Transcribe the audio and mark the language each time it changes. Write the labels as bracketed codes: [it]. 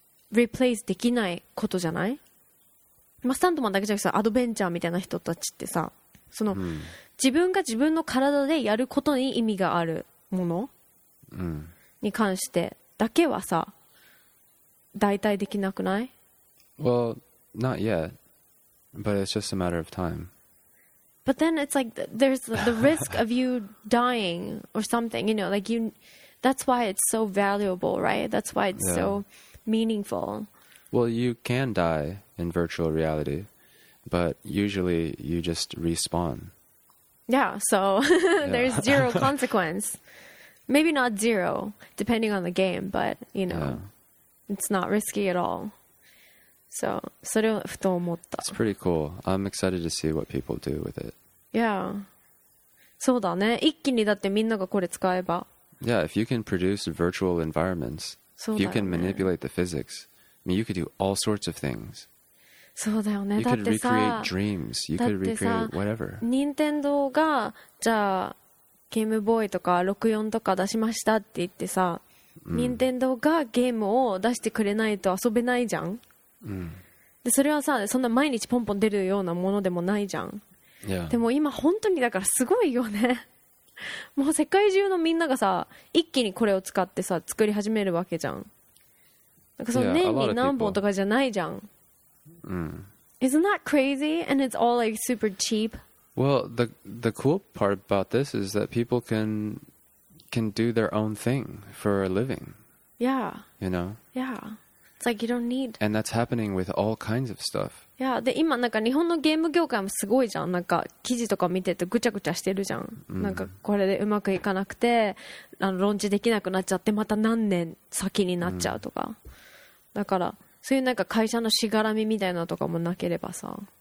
[ja] リプレイスできないことじゃない、まあ、スタントマンだけじゃなくてさアドベンチャーみたいな人たちってさその、自分が自分の体でやることに意味があるものに関してだけはさ、代替できなくない？ [en] Well, not yet, but it's just a matter of time. But then it's like there's the risk of you dying or something, you know, like you. That's why it's so valuable, right? That's why it's so meaningful. Well, you can die in virtual reality, but usually you just respawn. Yeah, so there's zero consequence. Maybe not zero, depending on the game, but, you know, it's not risky at all. So, [ja] それをふと思った。 [en] It's pretty cool. I'm excited to see what people do with it. Yeah. [ja] そうだね。一気にだってみんながこれ使えば。 [en] Yeah, if you can produce virtual environments, if you can manipulate the physics, I mean, you could do all sorts of things. [ja] そうだよね。 [en] You could recreate dreams. You could recreate whatever. [ja] Nintendo が、じゃあ、ゲームボーイとか64とか出しましたって言ってさ、任天堂がゲームを出してくれないと遊べないじゃん、でそれはさそんな毎日ポンポン出るようなものでもないじゃん、でも今本当にだからすごいよね。もう世界中のみんながさ一気にこれを使ってさ作り始めるわけじゃん。なんかその年に何本とかじゃないじゃん。 [en] Isn't that crazy? And it's all like super cheap? Well, the cool part about this is that people can do their own thing for a living. Yeah. You know? Yeah. It's like you don't need... And that's happening with all kinds of stuff. Yeah. [ja] で、今なんか日本のゲーム業界もすごいじゃん。なんか記事とか見ててぐちゃぐちゃしてるじゃん。なんかこれでうまくいかなくて、あのローンチできなくなっちゃってまた何年先になっちゃうとか。だから、そういうなんか会社のしがらみみたいなとかもなければさ。